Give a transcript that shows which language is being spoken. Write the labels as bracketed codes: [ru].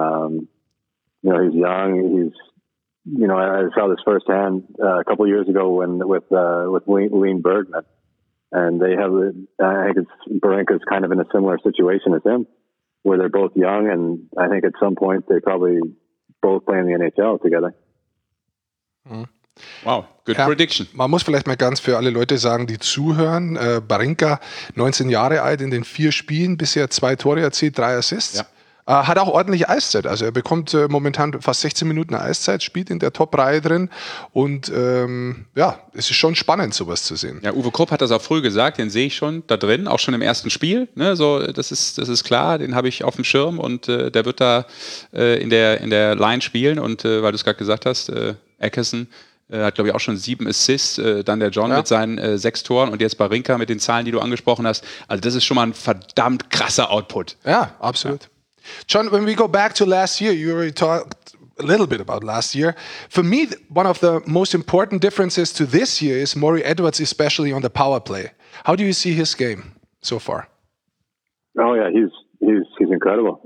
[en] You know, he's young. He's, you know, I saw this firsthand a couple of years ago with Wayne Bergman. And they have, I think it's Barinka's kind of in a similar situation as him, where they're both young. And I think at some point they probably both play in the NHL together. Mm. Wow, good prediction. [de] Man muss vielleicht mal ganz für alle Leute sagen, die zuhören, Barinka, 19 Jahre alt, in den 4 Spielen bisher 2 Tore erzielt, 3 Assists, hat auch ordentlich Eiszeit. Also er bekommt momentan fast 16 Minuten Eiszeit, spielt in der Top-Reihe drin und es ist schon spannend, sowas zu sehen. Ja, Uwe Krupp hat das auch früh gesagt, den sehe ich schon da drin, auch schon im ersten Spiel. Ne? So, das ist klar, den habe ich auf dem Schirm und der wird da in der Line spielen und weil du es gerade gesagt hast, Eckerson, hat, glaube ich, auch schon 7 Assists, dann der John mit seinen 6 Toren und jetzt Barinka mit den Zahlen, die du angesprochen hast. Also das ist schon mal ein verdammt krasser Output. Ja, absolut. Ja. [en] John, when we go back to last year, you already talked a little bit about last year. For me, one of the most important differences to this year is Maury Edwards, especially on the power play. How do you see his game so far? Oh yeah, he's incredible.